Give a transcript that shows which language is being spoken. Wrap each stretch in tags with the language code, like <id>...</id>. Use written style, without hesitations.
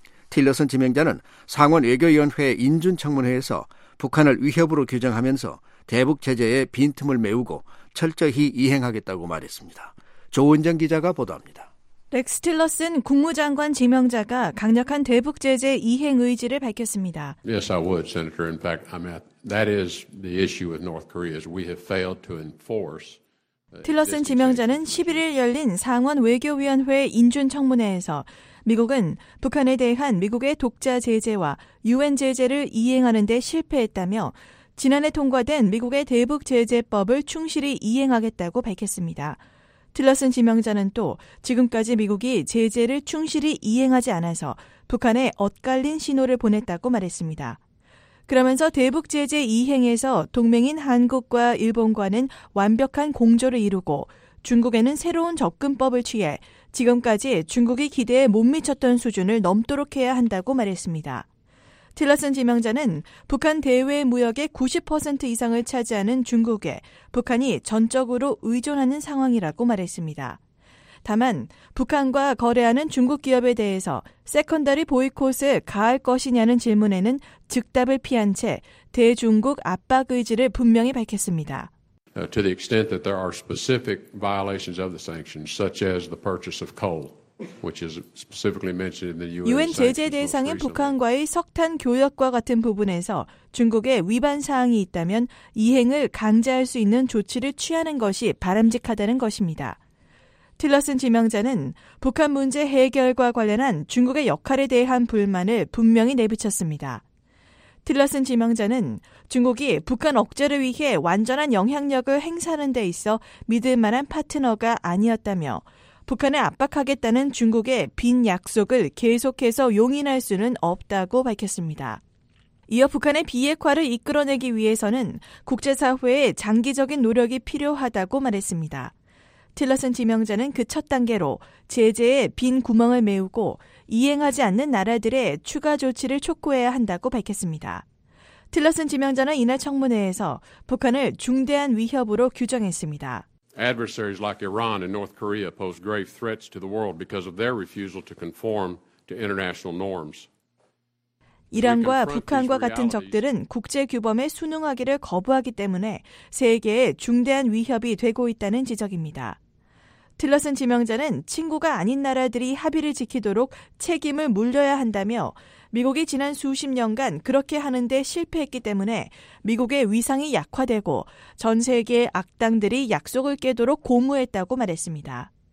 <ko>틸러슨 지명자는 상원 외교위원회 인준청문회에서 북한을 위협으로 규정하면서 대북 제재의 빈틈을 메우고 철저히 이행하겠다고 말했습니다. 조은정 기자가 보도합니다. 렉스 틸러슨 국무장관 지명자가 강력한 대북 제재 이행 의지를 밝혔습니다.</ko> <en>Yes, I would, Senator. In fact, I mean, that is the issue with North Korea is we have failed to enforce.</en> <ko>틸러슨 지명자는 11일 열린 상원 외교위원회 인준청문회에서 미국은 북한에 대한 미국의 독자 제재와 유엔 제재를 이행하는 데 실패했다며 지난해 통과된 미국의 대북 제재법을 충실히 이행하겠다고 밝혔습니다. 틸러슨 지명자는 또 지금까지 미국이 제재를 충실히 이행하지 않아서 북한에 엇갈린 신호를 보냈다고 말했습니다. 그러면서 대북 제재 이행에서 동맹인 한국과 일본과는 완벽한 공조를 이루고 중국에는 새로운 접근법을 취해 지금까지 중국이 기대에 못 미쳤던 수준을 넘도록 해야 한다고 말했습니다. 틸러슨 지명자는 북한 대외 무역의 90% 이상을 차지하는 중국에 북한이 전적으로 의존하는 상황이라고 말했습니다. 다만 북한과 거래하는 중국 기업에 대해서 세컨더리 보이콧을 가할 것이냐는 질문에는 즉답을 피한 채 대중국 압박 의지를 분명히 밝혔습니다.</ko> <en>To the extent that there are specific violations of the sanctions, such as the purchase of coal, which is specifically mentioned in the UN.</en> <ko>유엔 제재 대상인 북한과의 석탄 교역과 같은 부분에서 중국의 위반 사항이 있다면 이행을 강제할 수 있는 조치를 취하는 것이 바람직하다는 것입니다. 틸러슨 지명자는 북한 문제 해결과 관련한 중국의 역할에 대한 불만을 분명히 내비쳤습니다. 틸러슨 지명자는 중국이 북한 억제를 위해 완전한 영향력을 행사하는 데 있어 믿을 만한 파트너가 아니었다며 북한을 압박하겠다는 중국의 빈 약속을 계속해서 용인할 수는 없다고 밝혔습니다. 이어 북한의 비핵화를 이끌어내기 위해서는 국제사회의 장기적인 노력이 필요하다고 말했습니다. 틸러슨 지명자는 그 첫 단계로 제재의 빈 구멍을 메우고 이행하지 않는 나라들의 추가 조치를 촉구해야 한다고 밝혔습니다. 틸러슨 지명자는 이날 청문회에서 북한을 중대한 위협으로 규정했습니다.</ko> <en>Adversaries like Iran and North Korea pose grave threats to the world because of their refusal to conform to international norms.</en> <ko>이란과 북한과 같은 적들은 국제 규범에 순응하기를 거부하기 때문에 세계에 중대한 위협이 되고 있다는 지적입니다. 틸러슨 지명자는 친구가 아닌 나라들이 합의를 지키도록 책임을 물려야 한다며 미국이 지난 수십 년간 그렇게 하는데 실패했기 때문에 미국의 위상이 약화되고 전 세계의 악당들이 약속을 깨도록 고무했다고 말했습니다.</ko>